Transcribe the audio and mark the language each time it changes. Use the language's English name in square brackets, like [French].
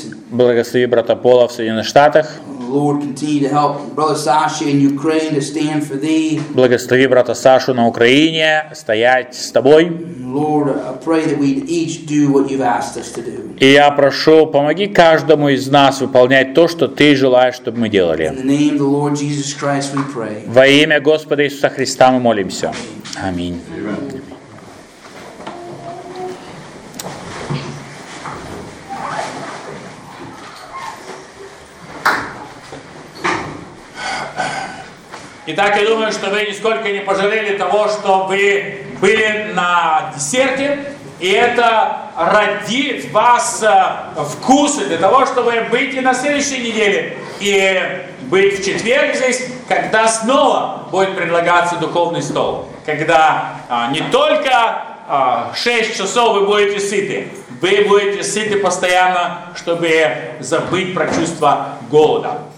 [Russian] Благослови брата Пола в Соединенных Штатах. [English] Lord, continue to help brother Sasha in Ukraine to stand for Thee. [Russian] Благослови брата Сашу на Украине стоять с Тобой. [English] Lord, I pray that we each do what You've asked us to do. [Russian] И я прошу, помоги каждому из нас выполнять то, что Ты желаешь, чтобы мы делали. [English] In the name of the Lord Jesus Christ, we pray. [Russian] Во имя Господа Иисуса Христа мы молимся. Аминь. Итак, я думаю, что вы нисколько не пожалели того, что вы были на десерте, и это родит вас вкусы для того, чтобы быть и на следующей неделе, и быть в четверг здесь, когда снова будет предлагаться духовный стол, когда не только 6 часов вы будете сыты, вы будете сыты постоянно, чтобы забыть про чувство голода.